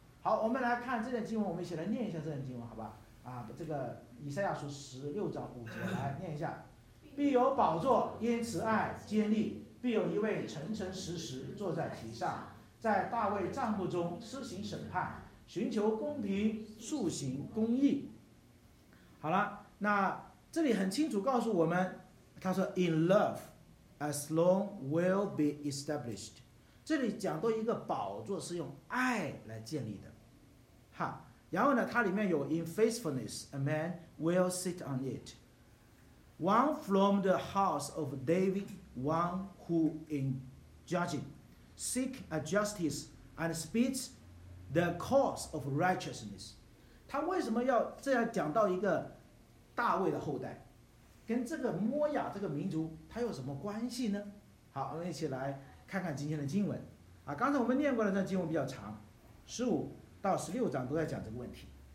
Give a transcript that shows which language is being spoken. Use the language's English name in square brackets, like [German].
[Chinese] 好，我们来看这段经文，我们一起来念一下这段经文，好吧？啊，这个以赛亚书16:5，来念一下：必有宝座，因慈爱坚立；必有一位诚诚实实坐在其上，在大卫帐幕中施行审判，寻求公平，速行公义。好了，那这里很清楚告诉我们，他说 ： [English] “In love, as long will be established。” [Chinese] 这里讲到一个宝座是用爱来建立的。哈，然后呢，它里面有 [English] in faithfulness, a man will sit on it. One from the house of David, one who in judging seek a justice and speaks the cause of righteousness. [Chinese] 他为什么要这样讲到一个大卫的后代，跟这个摩亚这个民族他有什么关系呢？好，我们一起来看看今天的经文啊。刚才我们念过的这经文比较长，15-16都在讲这个问题。